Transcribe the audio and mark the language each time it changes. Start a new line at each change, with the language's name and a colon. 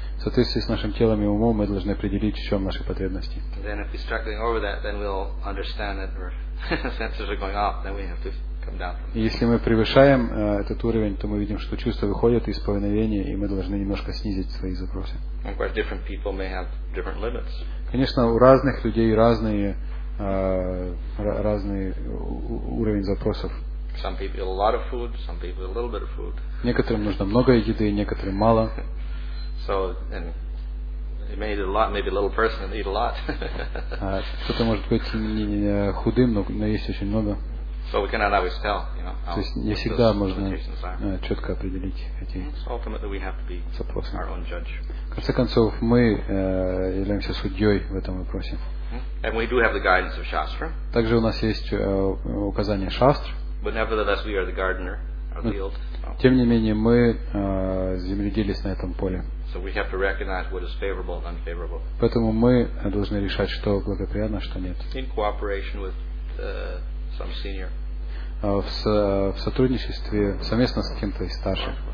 Russian: В соответствии с нашим телом и умом, мы должны определить, в чем наши потребности.
English: Then if we're struggling over that, then we'll understand that our senses are going up, then we have to come down.
Russian: Если мы превышаем этот уровень, то мы видим, что чувства выходят из повиновения, и мы должны немножко снизить свои запросы.
English: Of course, different people may have different limits.
Russian: Конечно, у разных людей разные разный уровень запросов.
English: Some people eat a lot of food, some people eat a little bit of food.
Russian: Некоторым нужно много еды, некоторым мало.
English: So, and it may eat a lot, maybe a little person eat a lot.
Russian: Кто-то может быть не худым, но есть очень много.
English: So we cannot always tell, you know.
Russian: То есть не всегда можно четко определить эти запросы.
English: Our own judge.
Russian: В конце концов, мы являемся судьей в этом вопросе.
English: And we do have the guidance of Shastra.
Russian: Также у нас есть указание Шастр.
English: But nevertheless, we are the gardener of the field.
Russian: Тем не менее, мы земледелец на этом поле.
English: So we have to recognize what is favorable and unfavorable.
Russian: Поэтому мы должны решать, что благоприятно, что нет.
English: In cooperation with some senior.
Russian: В сотрудничестве совместно с кем-то из старших.